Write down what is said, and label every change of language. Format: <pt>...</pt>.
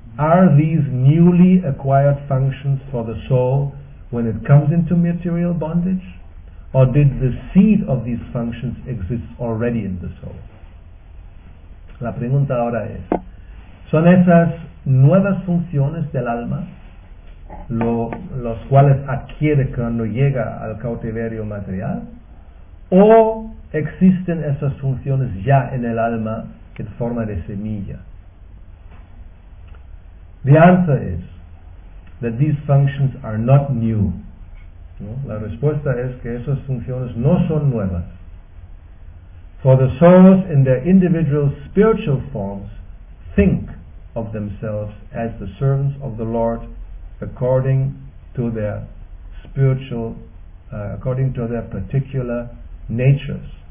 <en>Are these newly acquired functions for the soul when it comes into material bondage? Or did the seed of these functions exist already in the soul?</en> <es>La pregunta ahora es, ¿son esas nuevas funciones del alma los cuales adquiere cuando llega al cautiverio material? ¿O existen esas funciones ya en el alma en forma de semilla?</es> <en>The answer is that these functions are not new.</en> <es>¿No? La respuesta es que esas funciones no son nuevas.</es> <en>For the souls in their individual spiritual forms think of themselves as the servants of the Lord according to their spiritual, according to their particular natures.</en>